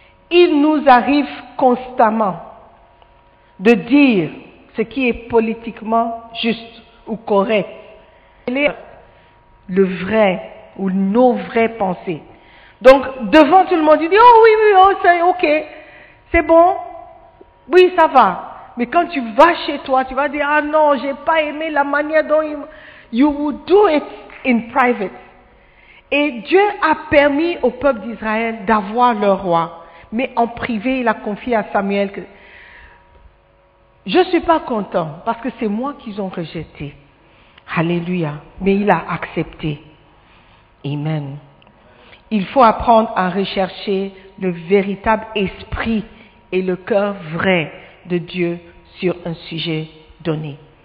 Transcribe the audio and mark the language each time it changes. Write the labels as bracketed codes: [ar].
[fr] Il nous arrive constamment de dire ce qui est politiquement juste ou correct. Quel est le vrai ou nos vraies pensées? Donc, devant tout le monde, il dit, oh oui, oui, oh, c'est ok, c'est bon, oui, ça va. Mais quand tu vas chez toi, tu vas dire, ah non, j'ai pas aimé la manière dont il... [en] You would do it in private. [fr] Et Dieu a permis au peuple d'Israël d'avoir leur roi. Mais en privé, il a confié à Samuel que je ne suis pas content parce que c'est moi qu'ils ont rejeté. Alléluia. Mais il a accepté. Amen. Il faut apprendre à rechercher le véritable esprit et le cœur vrai de Dieu sur un sujet donné.